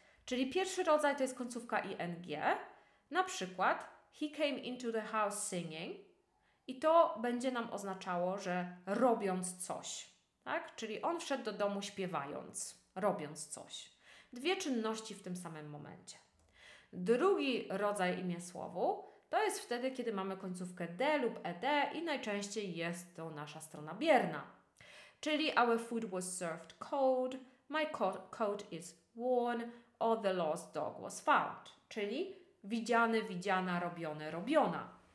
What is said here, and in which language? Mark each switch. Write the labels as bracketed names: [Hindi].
[Polish] Czyli pierwszy rodzaj to jest końcówka ing. Na przykład [English] he came into the house singing [Polish] i to będzie nam oznaczało, że robiąc coś, tak? Czyli on wszedł do domu śpiewając, robiąc coś. Dwie czynności w tym samym momencie. Drugi rodzaj imię słowu to jest wtedy, kiedy mamy końcówkę d lub ed i najczęściej jest to nasza strona bierna. [English] Czyli our food was served cold, my coat is worn, or the lost dog was found. [Polish] Czyli widziane, widziana, robione, robiona.